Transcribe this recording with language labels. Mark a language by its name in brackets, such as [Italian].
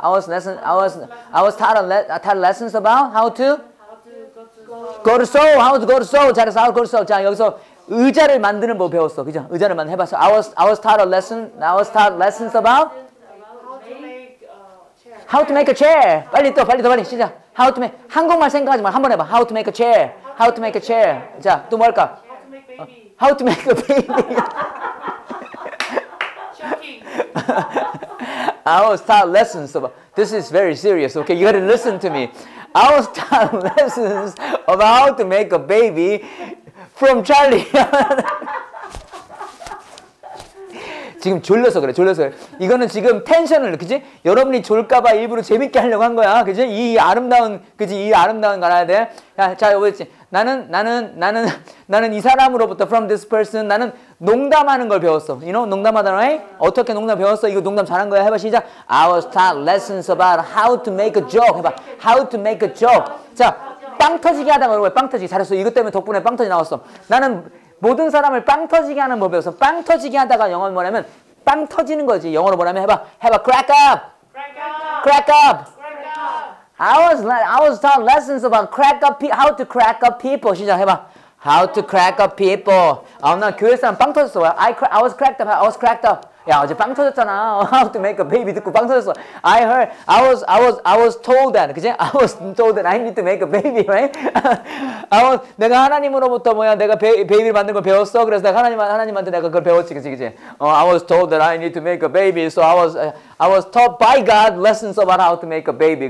[English] I was taught lessons about how to go to Seoul. [Korean] 잘했어. [English] How to go to Seoul. [Korean] 자, 여기서 의자를 만드는 법 배웠어. 그죠? 의자를 만 해봤어. [English] I was taught lessons about how to make a chair. [Korean] 빨리 시작. [English] How to make [Korean] 한국말 생각하지 마. 한번 해봐. [English] How to make a chair. [Korean] 자, 또 뭐 할까? [English] How to make a baby. Shocking. I was taught lessons about. This is very serious. Okay, you gotta listen to me. I was taught lessons about how to make a baby from Charlie. [Korean] 지금 졸려서 그래. 이거는 지금 텐션을, 그지? 여러분이 졸까봐 일부러 재밌게 하려고 한 거야. 그지? 이 아름다운 가라야 돼. 야, 자, 뭐였지? 나는 이 사람으로부터, [English] from this person, [Korean] 나는 농담하는 걸 배웠어. [English] You know, [Korean] 농담하다, [English] right? [Korean] 어떻게 농담 배웠어? 이거 농담 잘한 거야. 해봐, 시작. [English] I was taught lessons about how to make a joke. [Korean] 해봐. [English] How to make a joke. [Korean] 자, 빵 터지게 하다가, 왜 빵 터지게? 잘했어. 이것 때문에 덕분에 빵 터지게 나왔어. 나는 모든 사람을 빵 터지게 하는 법을 배웠어. 빵 터지게 하다가 영어로 뭐냐면, 빵 터지는 거지. 영어로 뭐냐면, 해봐. [English] Crack up! Crack up! I was taught lessons about crack up how to crack up people. [Korean] 시작해봐. [English] How to crack up people. [Korean] 나 교회에서 빵 터졌어. [English] I was cracked up. [Korean] 야, 어제 빵 터졌잖아. [English] How to make a baby [Korean] 듣고 빵 터졌어. [English] I was told that. [Korean] 그지? [English] I was told that I need to make a baby, right? [Korean] 내가 하나님으로부터 뭐야? 내가 베이비를 만드는 걸 배웠어. 그래서 내가 하나님한테 내가 그걸 배웠지. 그지? [English] I was told that I need to make a baby. So I was taught by God lessons about how to make a baby.